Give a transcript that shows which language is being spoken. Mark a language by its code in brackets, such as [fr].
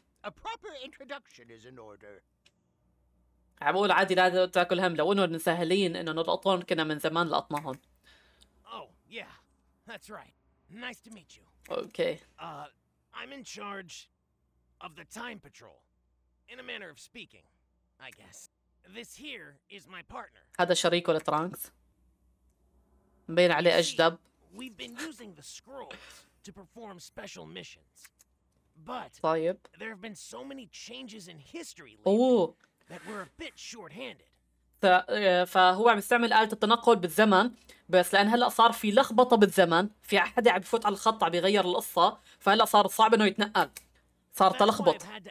[en] A proper introduction is in order. [ar] عبول عادي لا تاكل هم، لو انه سهلين انه نلقطهم كنا من زمان لقطناهم. [en] Oh, yeah. That's right. Nice to meet you. Okay. I'm in charge of the time patrol. In a manner of speaking, I guess. This here is my partner. [ar] هذا شريكه لترانكس. مبين عليه اجدب. [en] We've been using the scrolls to perform special missions. But [ar] طيب. [en] There have been so many changes in history lately. أوه. That we're a bit short-handed. [ar] فهو عم يستعمل آلة التنقل بالزمن، بس لأن هلأ صار في لخبطة بالزمن، في أحد عم يفوت على الخط عم يغير القصة، فهلأ صار صعب إنه يتنقل، صار تلخبط.